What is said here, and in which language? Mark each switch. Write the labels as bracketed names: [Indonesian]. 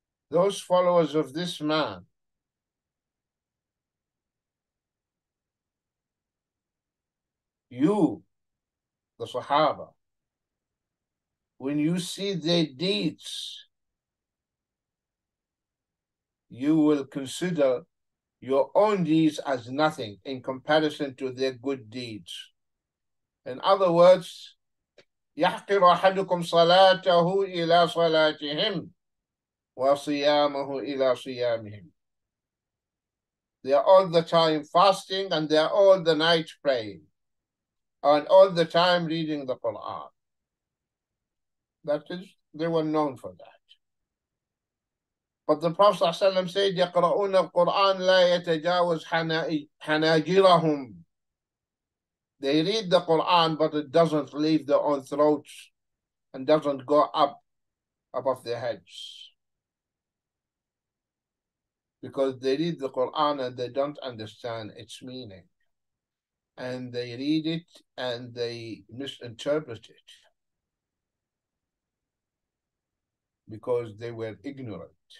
[English] Those followers of this man, you, the Sahaba, when you see their deeds, you will consider your own deeds as nothing in comparison to their good deeds. In other words, [Arabic] يحقر أحدكم صلاته إلى صلاتهم وصيامه إلى صيامهم. [English] They are all the time fasting and they are all the night praying, and all the time reading the Quran. That is, they were known for that. But the Prophet ﷺ said, [Arabic] يقرؤون القرآن لا يتجاوز حناجرهم. [English] They read the Quran, but it doesn't leave their own throats and doesn't go up above their heads. Because they read the Quran and they don't understand its meaning. And they read it and they misinterpret it because they were ignorant.